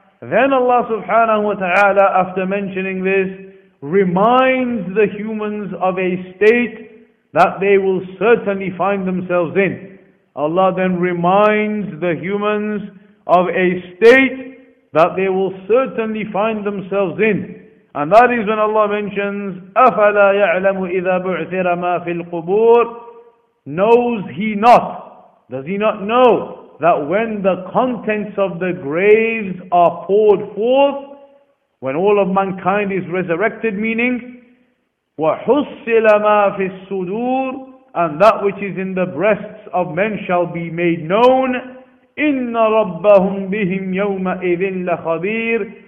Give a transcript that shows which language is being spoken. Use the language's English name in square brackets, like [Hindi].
[English] Then Allah subhanahu wa ta'ala, after mentioning this, reminds the humans of a state that they will certainly find themselves in. Allah then reminds the humans of a state that they will certainly find themselves in. And that is when Allah mentions, [Arabic] أَفَلَا يَعْلَمُ إِذَا بُعْثِرَ مَا فِي الْقُبُورِ. [English] Knows he not? Does he not know that when the contents of the graves are poured forth, when all of mankind is resurrected, meaning, [Arabic] وَحُصِّلَ مَا فِي السُّدُورِ, [English] and that which is in the breasts of men shall be made known, [Arabic] إِنَّ رَبَّهُمْ بِهِمْ يَوْمَئِذٍ لَخَبِيرٍ.